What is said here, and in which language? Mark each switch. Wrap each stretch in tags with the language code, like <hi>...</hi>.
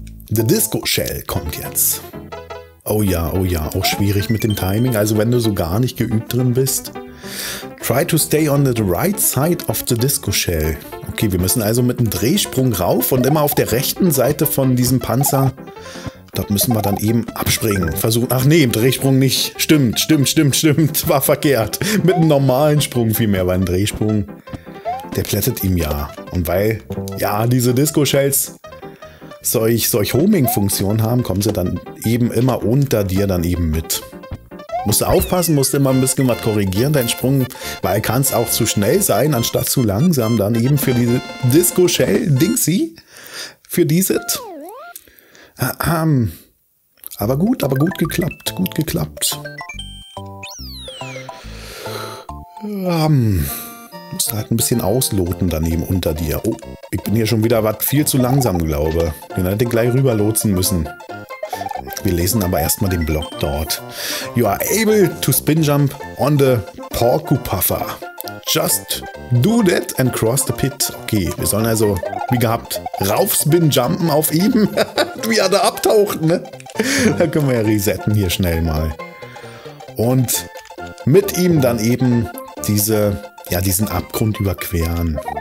<de>The Disco Shell kommt jetzt. Oh ja, auch schwierig mit dem Timing. Also wenn du so gar nicht geübt drin bist.</de> <en>Try to stay on the right side of the Disco Shell.</en> <de>Okay, wir müssen also mit einem Drehsprung rauf und immer auf der rechten Seite von diesem Panzer. Dort müssen wir dann eben abspringen. Versuchen. Ach nee, im Drehsprung nicht. Stimmt. War verkehrt. Mit einem normalen Sprung vielmehr, beim Drehsprung. Der plättet ihm ja. Und weil, ja, diese Disco Shells solch Homing-Funktion haben, kommen sie dann eben immer unter dir dann eben mit. Musst du aufpassen, musst du immer ein bisschen was korrigieren, deinen Sprung, weil kann es auch zu schnell sein, anstatt zu langsam, dann eben für diese Disco-Shell-Dingsy, für dieses. Aber gut geklappt, gut geklappt. Musst halt ein bisschen ausloten daneben unter dir. Oh, ich bin hier schon wieder was viel zu langsam, glaube. Den hätte ich gleich rüberlotsen müssen. Wir lesen aber erstmal den Block dort.</de> <en>You are able to spin jump on the Porcupuffer. Just do that and cross the pit.</en> <de>Okay, wir sollen also, wie gehabt, rauf spin jumpen auf ihm. Wie er da abtaucht, ne? Da können wir ja resetten hier schnell mal. Und mit ihm dann eben diesen Abgrund überqueren.</de>